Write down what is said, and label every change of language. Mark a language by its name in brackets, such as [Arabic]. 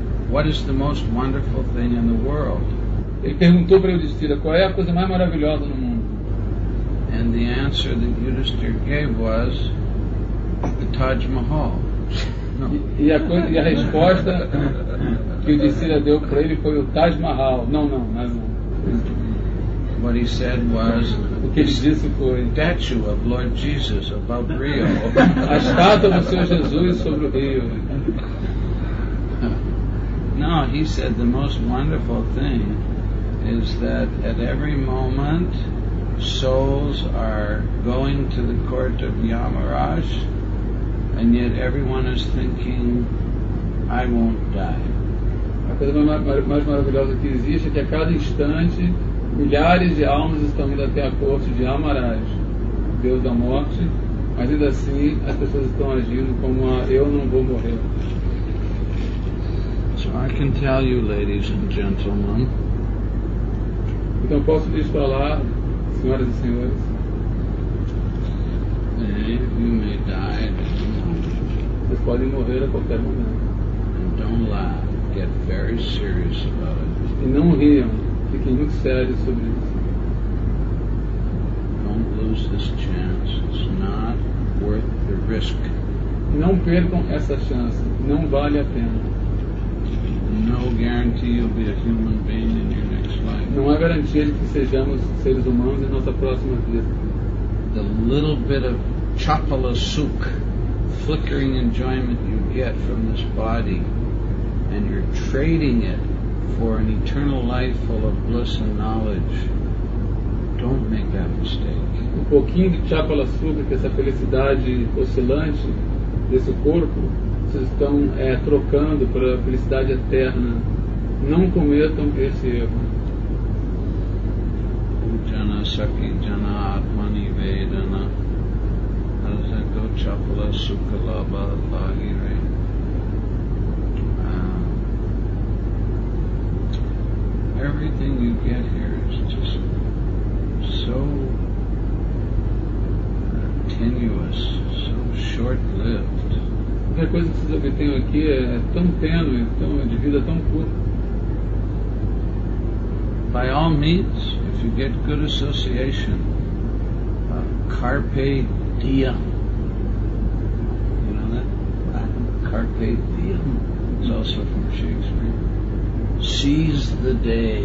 [English] what is the most wonderful thing in the world? [Portuguese] Ele perguntou para Yudhisthira, qual é a coisa mais maravilhosa no mundo? [English] And the answer that Yudhisthira gave was the Taj Mahal. [Portuguese] E a coisa, e a resposta que Yudhisthira deu para ele foi o Taj Mahal. Não. [English] What he said was, [Portuguese] o que ele disse foi, [English] statue of Lord Jesus above Rio. [Portuguese] A estátua do Senhor Jesus sobre o Rio. [English] No, he said the most wonderful thing is that at every moment souls are going to the court of Yamaraj. And yet everyone is thinking, I won't die. [Portuguese] A coisa mais maravilhosa que existe é que a cada instante milhares de almas estão indo até a corte de Amaraj, Deus da morte, mas ainda assim as pessoas estão agindo como eu não vou morrer. [English] So I can tell you, ladies and gentlemen. [Portuguese] Então posso lhes falar, senhoras e senhores. [English] You may die. [Portuguese] Vocês podem morrer a qualquer momento. [English] And don't laugh. Get very serious about it. [Portuguese] E não riam. Fiquem muito sérios sobre isso. [English] Don't lose this chance. It's not worth the risk. [Portuguese] Não percam essa chance. Não vale a pena. [English] No guarantee you'll be a human being in your next life. [Portuguese] Não há garantia de que sejamos seres humanos em nossa próxima vida. [English] The little bit of chapala sukh, flickering enjoyment you get from this body, and you're trading it for an eternal life full of bliss and knowledge. Don't make that mistake. [Portuguese] Um pouquinho de chapala sukh, que essa felicidade oscilante desse corpo, vocês estão trocando para a felicidade eterna. Não cometam esse erro. [Bangla] Sakhi jana atmani vedana asako chapala sukalaba lahire. [English] Everything you get here is just so tenuous, so short-lived. [Portuguese] A coisa que vocês obtêm aqui é tão tênue, de vida tão curta. [English] By all means, if you get good association, carpe [Latin] diem. [English] You know that? Carpe diem. It's also from Shakespeare. Seize the day.